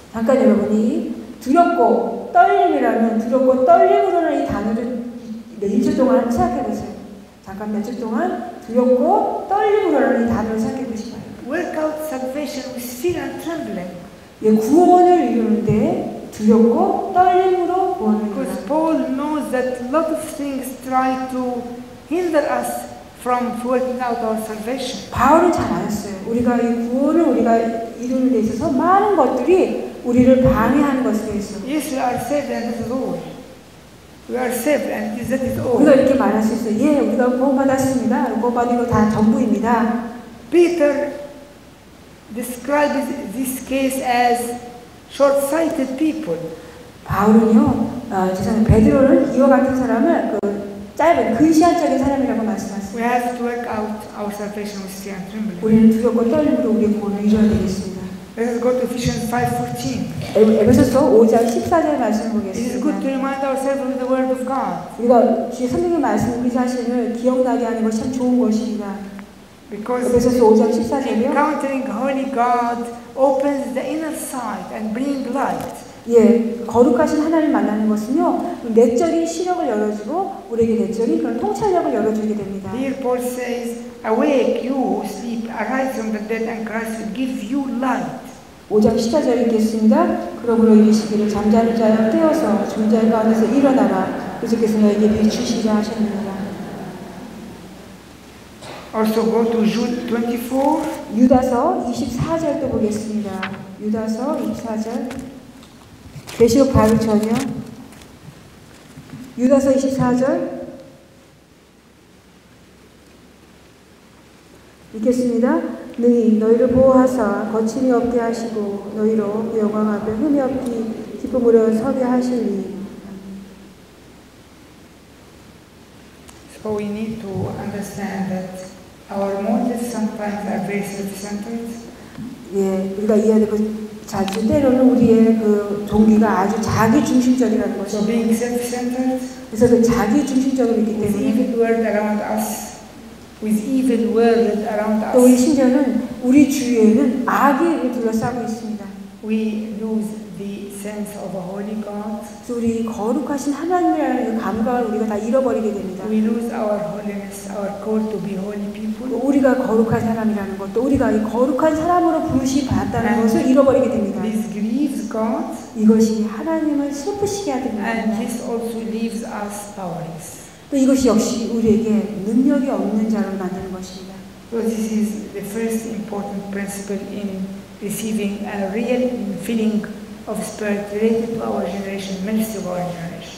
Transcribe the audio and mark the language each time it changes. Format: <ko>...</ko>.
<ko>잠깐 여러분이 두렵고 떨림이라는 두렵고 떨림으로는 이 단어를 몇 초 동안 생각해 보세요. 잠깐 몇 초 동안 두렵고 떨림으로는 이 단어를 생각해 보시면.</ko> <en>Work out salvation with fear and trembling.</en> <ko>예, 구원을 이루는데 두렵고 떨림으로 구원을 이루는.</ko> <en>Because Paul knows that lot of things try to hinder us from working out our salvation.</en> <ko>바울은 잘 알았어요. 우리가 이 구원을 우리가 이루는 데 있어서 많은 것들이 우리를 방해하는 것에 대해서.</ko> <en>Yes, we are saved and it is all. We are saved and that is all.</en> <ko>우리가 이렇게 말할 수 있어요. 예, 우리가 구원받았습니다. 구원받은 거 다 전부입니다.</ko> <en>Peter describes this case as short-sighted people.</en> <ko>바울은요, 죄송해요. 베드로는 이와 같은 사람을 그 짧은 근시안적인 사람이라고 말씀하셨어요.</ko> <en>We have to work out our salvation with fear and trembling.</en> <ko>우리는 두렵고 떨림으로 우리의 구원을 이루어야 되겠습니다.</ko> <en>Let's go to Ephesians 5:14.</en> <ko>에베소서 5장 14절 말씀 보겠습니다.</ko> <en>It is good to remind ourselves of the word of God.</en> <ko>우리가 주의 성경의 말씀 우리 자신을 기억나게 하는 것이 참 좋은 것입니다. Because 에베소서 5장 14절이요.</ko> <en>Encountering holy God opens the inner sight and brings light.</en> <ko>예, 거룩하신 하나님 만나는 것은요 내적인 시력을 열어주고 우리에게 내적인 그런 통찰력을 열어주게 됩니다.</ko> <en>Here Paul says, "Awake, you who sleep, arise from the dead, and Christ will give you light."</en> <ko>5장 14절 읽겠습니다. 그러므로 이르시기를 잠자는 자여 깨어서 죽은 자의 가운데서 일어나라. 그리스도께서 너에게 비추시리라 하셨느니라.</ko> <en>Also go to Jude 24.</en> <ko>유다서 24절도 보겠습니다. 유다서 24절. 계시록 바로 전이요. 유다서 24절 읽겠습니다. 능히 너희를 보호하사 거침이 없게 하시고 너희로 영광 앞에 흠이 없기 기쁨으로 서게 하시니.</ko> <en>So we need to understand that our motives sometimes are very self-centered.</en> <ko>예, 우리가 이해하는 것 자, 때로는 우리의 그 종기가 아주 자기 중심적이라는 것이죠.</ko> <en>So being self-centered.</en> <ko>그래서 그 자기 중심적으로 있기 때문에.</ko> <en>With evil world around us. With evil world around us.</en> <ko>또 우리 심지어는 우리 주위에는 악이 둘러싸고 있습니다.</ko> <en>We lose the sense of a holy God.</en> <ko>우리 거룩하신 하나님이라는 그 감각을 우리가 다 잃어버리게 됩니다.</ko> <en>We lose our holiness, our call to be holy people.</en> <ko>우리가 거룩한 사람이라는 것도 우리가 이 거룩한 사람으로 부르심 받았다는</ko> <en>And</en> <ko>것을 잃어버리게 됩니다.</ko> <en>This grieves God.</en> <ko>이것이 하나님을 슬프시게 하게 됩니다.</ko> <en>And this also leaves us powerless.</en> <ko>또 이것이 역시 우리에게 능력이 없는 자로 만드는 것입니다.</ko> <en>So this is the first important principle in receiving a real feeling of spirit related to our generation, ministry of our generation.</en>